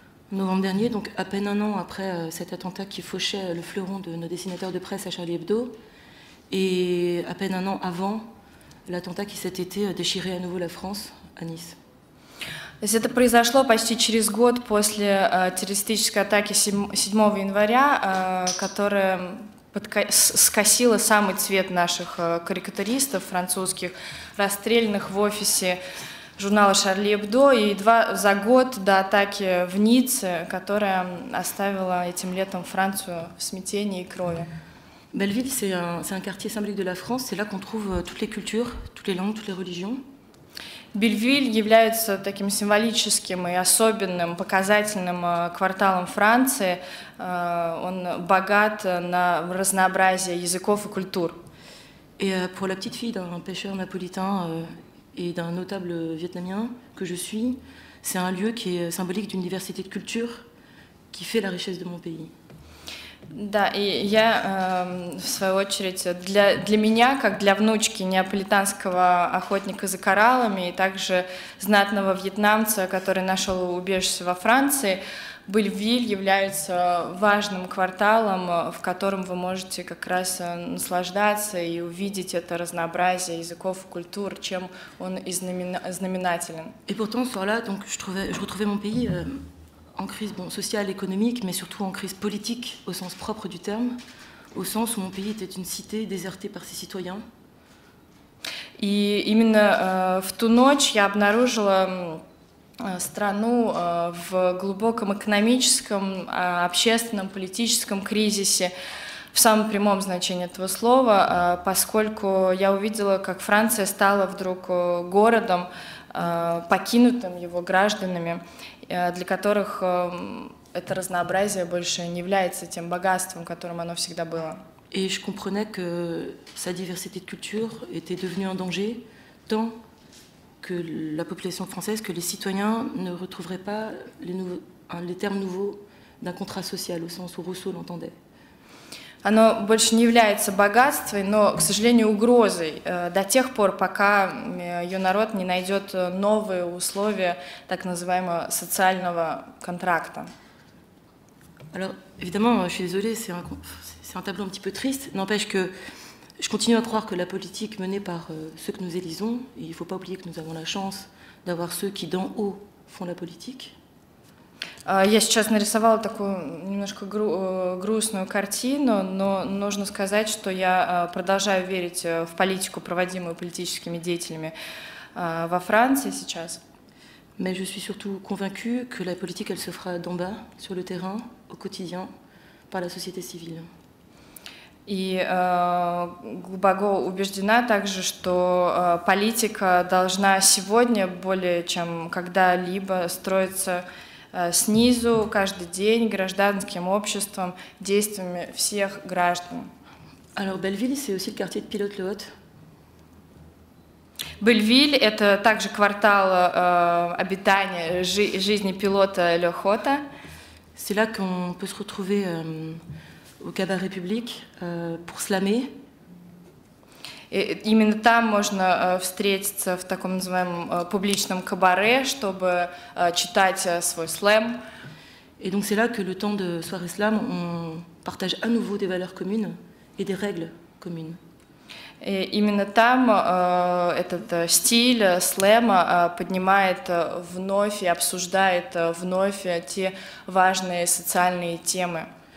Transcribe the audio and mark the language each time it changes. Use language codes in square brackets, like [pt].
[fr] Novembre dernier, donc à peine un an après cet attentat qui fauchait le fleuron de nos dessinateurs de presse à Charlie Hebdo, et à peine un an avant l'attentat qui cet été déchirait à nouveau la France à Nice. [ru] Это произошло почти через год после террористической атаки 7 января, которая скосила самый цвет наших карикатуристов французских, расстрелянных в офисе журнала «Шарли Эбдо», и за год до атаки в Ницце, которая оставила этим летом Францию в смятении и крови. [fr] Бельвиль, c'est un quartier symbolique de la France, c'est là qu'on trouve toutes les cultures, toutes les langues, toutes les religions. [ru] Бельвиль является таким символическим и особенным, показательным кварталом Франции. Он богат на разнообразие языков и культур. [fr] Et pour la petite fille d'un pêcheur napolitain et d'un notable vietnamien que je suis, c'est un lieu qui est symbolique d'une diversité de cultures qui fait la richesse de mon pays. [ru] Да, и я, в свою очередь, для меня, как для внучки неаполитанского охотника за кораллами и также знатного вьетнамца, который нашел убежище во Франции, Бельвиль является важным кварталом, в котором вы можете как раз наслаждаться и увидеть это разнообразие языков и культур, чем он и знаменателен. [fr] И pourtant, voilà, donc, je retrouvais mon pays... en crise bon, sociale, économique, mais surtout en crise politique au sens propre du terme, au sens où mon pays était une cité désertée par ses citoyens. [ru] Et именно в ту ночь я обнаружила страну в глубоком экономическом, общественном, политическом кризисе в самом прямом значении этого слова, поскольку я увидела, как Франция стала вдруг городом, покинутым его гражданами, для которых это разнообразие больше не является тем богатством, которым оно всегда было. [fr] И je comprenais que sa diversité de culture était devenue un danger tant que la population française, que les citoyens ne retrouveraient pas les termes nouveaux d'un contrat social au sens où Rousseau l'entendait. [ru] Оно больше не является богатством, но, к сожалению, угрозой до тех пор, пока ее народ не найдет новые условия так называемого социального контракта. [fr] Alors, évidemment, je suis désolée, c'est un tableau un petit peu triste. N'empêche que je continue à croire que la politique menée par ceux que nous élisons, et il ne faut pas oublier que nous avons la chance d'avoir ceux qui d'en haut font la politique. [ru] Я сейчас нарисовала такую немножко грустную картину, но нужно сказать, что я продолжаю верить в политику, проводимую политическими деятелями во Франции сейчас. [fr] Mais je suis surtout convaincue que la politique, elle se fera d'en bas, sur le terrain, au quotidien, par la société civile. [ru] И глубоко убеждена также, что политика должна сегодня более чем когда-либо строиться снизу, каждый день, гражданским обществом, действиями всех граждан. [fr] Alors, Belleville, c'est aussi le quartier de Pilote-le-Haut. [ru] Бельвиль – это также квартал обитания, жизни пилота Ле-Хота. [fr] C'est là qu'on peut se retrouver au cabaret public pour slammer. [ru] И именно там можно встретиться в таком называемом публичном кабаре, чтобы читать свой слэм. [fr] Et donc c'est là que le temps de soirée slam, on partage à nouveau des valeurs communes et des règles communes. [ru] И именно там этот стиль слэма поднимает вновь и обсуждает вновь те важные социальные темы.